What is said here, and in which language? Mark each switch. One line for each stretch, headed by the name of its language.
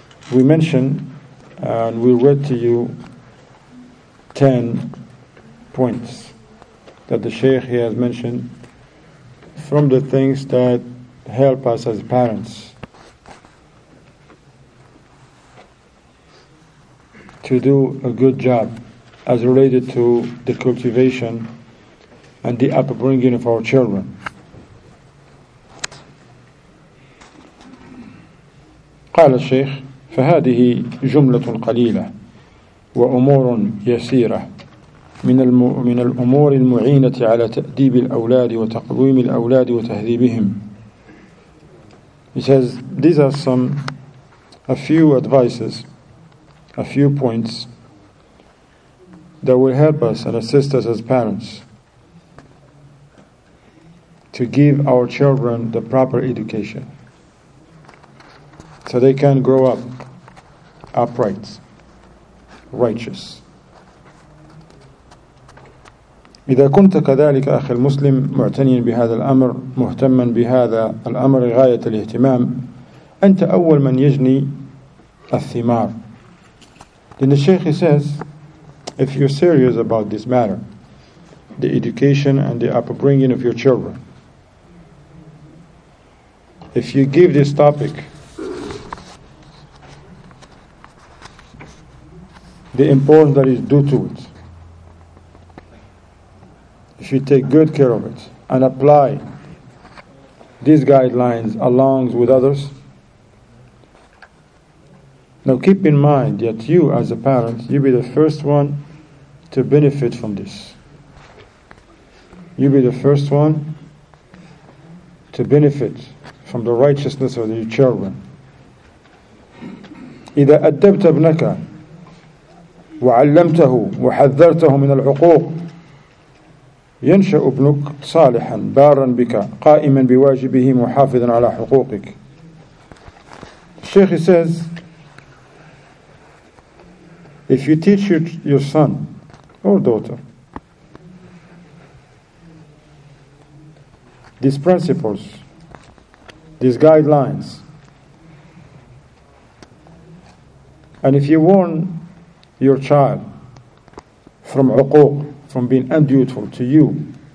English: We mentioned and we read to you 10 points that the Shaykh he has mentioned from the things that help us as parents to do a good job as related to the cultivation and the upbringing of our children.
Arabic: قال الشيخ فهذه جملة قليلة وأمور يسيرة من الأمور المعينة على تأديب الأولاد وتقويم الأولاد وتهذيبهم.
English: He says these are a few advices, a few points that will help us and assist us as parents to give our children the proper education so they can grow up upright, righteous.
Arabic: إذا كنت كذلك أخي المسلم معتنيا بهذا الأمر مهتما بهذا الأمر غاية الاهتمام أنت أول من يجني الثمار.
English: Then the Shaykh says, if you're serious about this matter, the education and the upbringing of your children, if you give this topic the importance that is due to it, if you take good care of it and apply these guidelines along with others, now keep in mind that you as a parent, you be the first one to benefit from this. You be the first one to benefit from the righteousness of your children.
Arabic: إذا أدبت ابنك وعلمته وحذرته من العقوق ينشأ ابنك صالحا بارا بك قائما بواجبه محافظا على حقوقك.
English: الشيخ says, if you teach your son or daughter these principles, these guidelines, and if you warn your child from uquq, from being undutiful to you,